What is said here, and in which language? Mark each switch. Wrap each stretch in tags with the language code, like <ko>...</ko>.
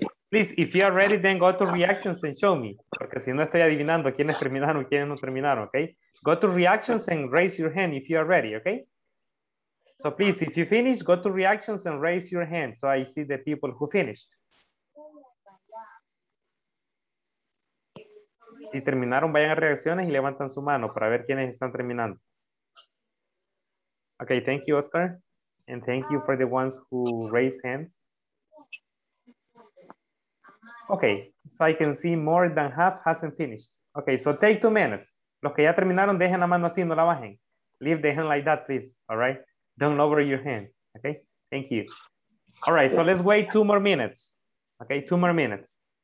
<en>Please, if you are ready, then go to reactions and show me.</en> <es>Porque si no estoy adivinando quiénes terminaron, quiénes no terminaron,</es> <en>okay? Go to reactions and raise your hand if you are ready, okay? So please, if you finish, go to reactions and raise your hand so I see the people who finished.</en> <es>Si terminaron, vayan a reacciones y levantan su mano para ver quiénes están terminando.</es> <en>Okay, thank you, Oscar. And thank you for the ones who raised hands. Okay, so I can see more than half hasn't finished. Okay, so take 2 minutes.</en> <es>Los que ya terminaron, dejen la mano así, no la bajen.</es> <en>Leave the hand like that, please, all right? Don't lower your hand, okay? Thank you. All right, so let's wait 2 more minutes. Okay, 2 more minutes.</en>